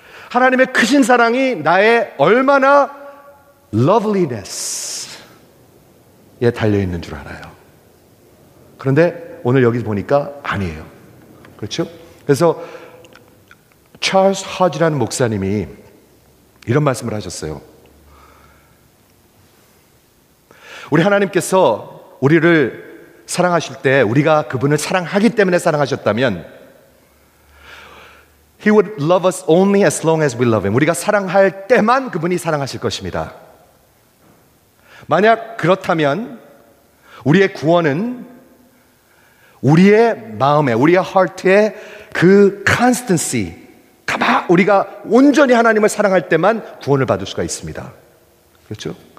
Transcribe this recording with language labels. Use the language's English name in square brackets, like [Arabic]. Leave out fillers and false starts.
[Korean] 하나님의 크신 사랑이 나의 얼마나 loveliness에 달려 있는 줄 알아요. 그런데 오늘 여기 보니까 아니에요. 그렇죠? 그래서 찰스 허지라는 목사님이 이런 말씀을 하셨어요. 우리 하나님께서 우리를 사랑하실 때 우리가 그분을 사랑하기 때문에 사랑하셨다면 [English] He would love us only as long as we love him. [Korean] 우리가 사랑할 때만 그분이 사랑하실 것입니다. 만약 그렇다면 우리의 구원은 우리의 마음에, 우리의 heart에 그 constancy, 우리가 온전히 하나님을 사랑할 때만 구원을 받을 수가 있습니다. 그렇죠?